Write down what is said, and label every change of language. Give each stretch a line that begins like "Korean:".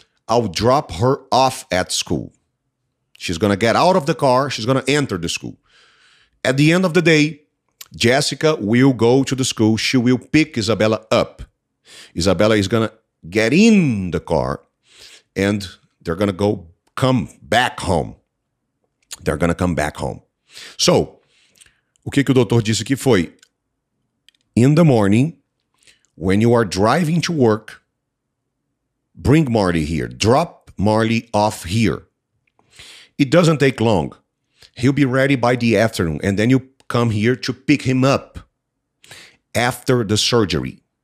English: I'll drop her off at school. She's gonna get out of the car. She's gonna enter the school. At the end of the day, Jessica will go to the school. She will pick Isabella up. Isabella is gonna get in the car and they're gonna go come back home. They're gonna come back home.
Portuguese: So, o que que o doutor disse aqui foi?
English: In the morning, when you are driving to work, bring Marley here. Drop Marley off here. It doesn't take long. He'll be ready by the afternoon. And then you come here to pick him up after the surgery.